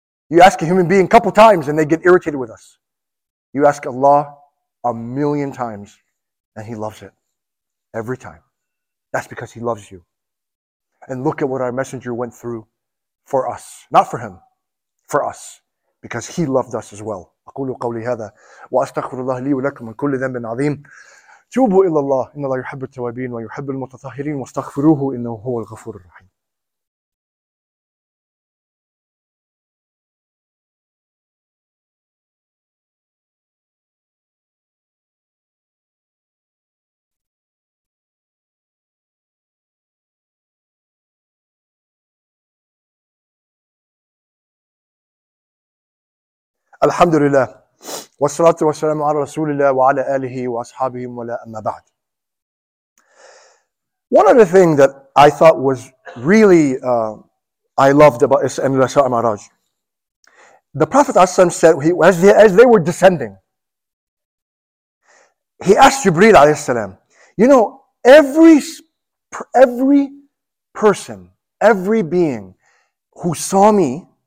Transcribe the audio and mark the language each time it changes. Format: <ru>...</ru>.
<en>You ask a human being a couple times and they get irritated with us. You ask Allah a million times and he loves it every time. That's because he loves you. And look at what our messenger went through for us. Not for him, for us. Because he loved us as well.</en> <ar>أقول قولي هذا وأستغفر الله لي ولكم من كل ذنب عظيم توبوا إلى الله إن الله يحب التوابين ويحب المتطهرين واستغفروه إنه هو الغفور الرحيم. الحمد لله والصلاة والسلام على رسول الله وعلى آله وأصحابه ولا أما بعد.</ar> <en>One other thing that I thought was really I loved about Isra al-Mi'raj, the Prophet ﷺ said as they were descending, he asked Jibreel عليه السلام, every person, every being who saw me.</en>